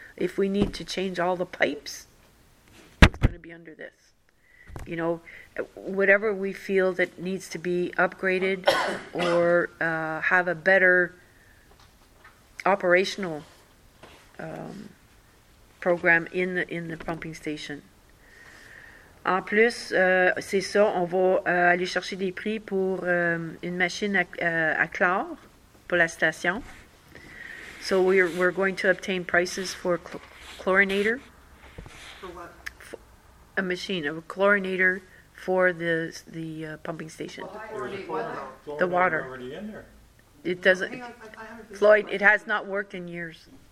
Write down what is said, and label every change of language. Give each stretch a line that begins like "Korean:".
English: If we need to change all the pipes, it's going to be under this. You know, whatever we feel that needs to be upgraded or have a better operational program in the pumping station.
French: En plus, c'est ça, on va aller chercher des prix pour une machine à chlore pour la station.
English: So we're going to obtain prices for a chlorinator. For what? A machine, a chlorinator for the pumping station. Why? Chlorinator. The water. Already in there. It doesn't. Hang on, Floyd, it has not worked in years.